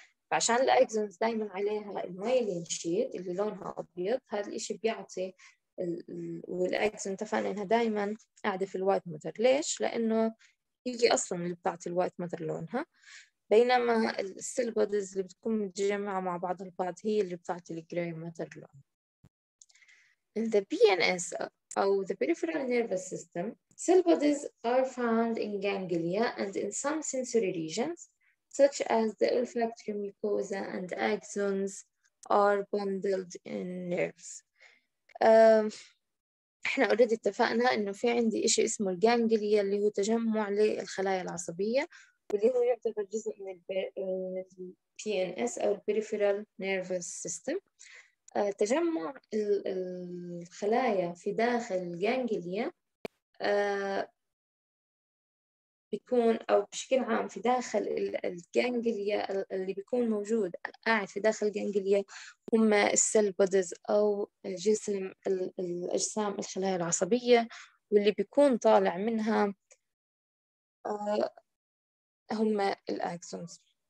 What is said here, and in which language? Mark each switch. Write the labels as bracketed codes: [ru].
[ar] فعشان الأكسونز دايما عليها المايلين شيت اللي لونها أبيض هذا الإشي بيعطي والأكسون تفعل إنها دايما قاعدة في الوايت ماتر. ليش؟ لأنه هي أصلاً اللي بتعطي الوايت ماتر لونها، بينما السيل بودز اللي بتكون متجمعة مع بعض البعض هي اللي بتعطي الجراي ماتر لون. [en] In the PNS أو the peripheral nervous system cell bodies are found in ganglia and in some sensory regions such as the olfactory mucosa and axons are bundled in nerves. [ar] احنا اوريدي اتفقنا انه في عندي اشي اسمه الجانجليا اللي هو تجمع للخلايا العصبية واللي هو يعتبر جزء من PNS او peripheral nervous system. تجمع الخلايا في داخل الجانجليا بيكون أو بشكل عام في داخل الجانجليا اللي بيكون موجود قاعد في داخل الجانجليا هم السيل بودز أو الجسم الأجسام الخلايا العصبية واللي بيكون طالع منها هم الأكسونز.